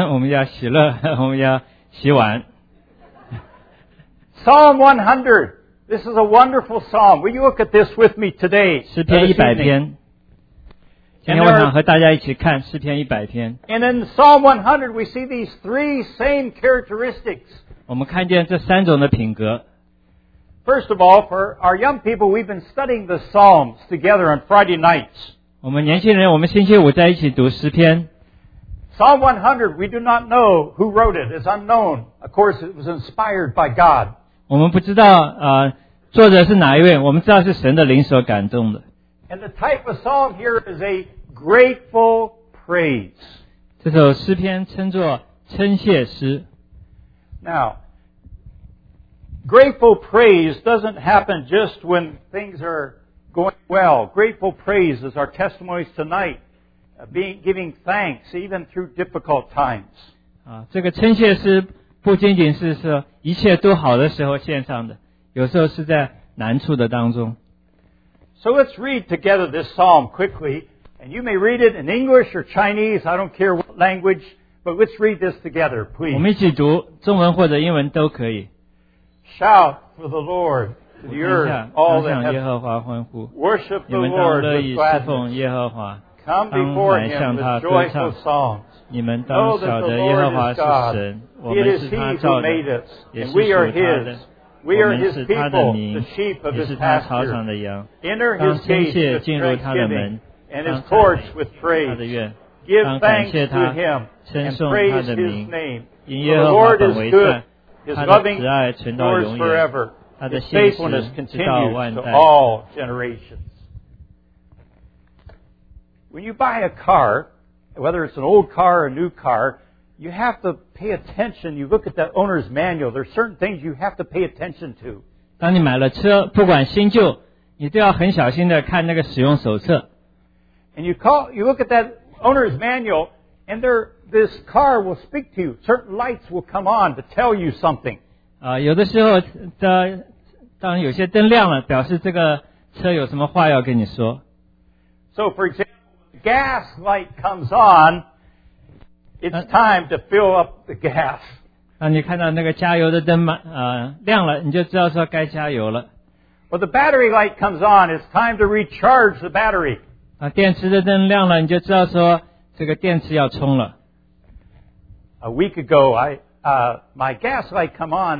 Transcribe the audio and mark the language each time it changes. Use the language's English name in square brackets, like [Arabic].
[Chinese] 当我们肚子很饱的时候，我们要感谢我们的太太，我们要感恩，我们要喜乐，我们要洗碗。 [English] Psalm 100. This is a wonderful psalm. Will you look at this with me today? [Chinese] 诗篇100篇。今天我想和大家一起看诗篇100篇。 [English] And in Psalm 100, we see these three same characteristics. [Chinese] 我们看见这三种的品格。 [English] First of all, for our young people, we've been studying the psalms together on Friday nights. [Chinese] 我们年轻人，我们星期五在一起读诗篇。 [English] Psalm 100, we do not know who wrote it. It's unknown. Of course, it was inspired by God. [Chinese] 我们不知道, 作者是哪一位？我们知道是神的灵所感动的。 [English] And the type of psalm here is a grateful praise. [Chinese] 这首诗篇称作称谢诗。 [English] Now, grateful praise doesn't happen just when things are going well. Grateful praise is our testimonies tonight, giving thanks even through difficult times. [Chinese] 这个称谢诗 不仅仅是说一切都好的时候献上的，有时候是在难处的当中。 [English] So let's read together this psalm quickly, and you may read it in English or Chinese, I don't care what language, but let's read this together, please. [Chinese] 我们一起读，中文或者英文都可以。 [English] Shout for the Lord, to the earth, all that hath. Worship the Lord with gladness. Come before Him with joyful songs. [Chinese] 你们当晓得耶和华是神, 我们是他造的, 也是属他的, [English] we are His people, the sheep of His pasture. Enter His gates with thanksgiving, and His courts with praise. Give thanks to Him, and praise His name. For the Lord is good, His loving endures forever, His faithfulness continues to all generations. When you buy a car, whether it's an old car or a new car, you have to pay attention. You look at the owner's manual. There are certain things you have to pay attention to. [Chinese] 当你买了车, 不管新旧, 你都要很小心的看那个使用手册。 [English] And you look at that owner's manual, and this car will speak to you. Certain lights will come on to tell you something. [Chinese] 啊，有的时候的，当有些灯亮了，表示这个车有什么话要跟你说。 [English] So for example, the gas light comes on, it's time to fill up the gas. [Chinese] 那你看到那个加油的灯吗？亮了，你就知道说该加油了。 [English] Well, the battery light comes on. It's time to recharge the battery. [Chinese] 啊，电池的灯亮了，你就知道说这个电池要充了。 [English] A week ago, my gas light come on.